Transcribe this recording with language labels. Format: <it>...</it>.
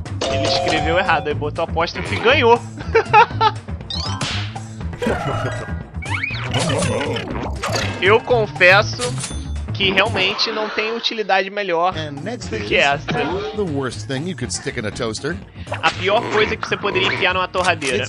<pt>Ele escreveu errado, aí botou apóstrofe e ganhou. Eu confesso que realmente não tem utilidade melhor do que essa.</pt> <en>The worst thing you could stick in a toaster.</en> <pt>A pior coisa que você poderia enfiar numa torradeira.</pt>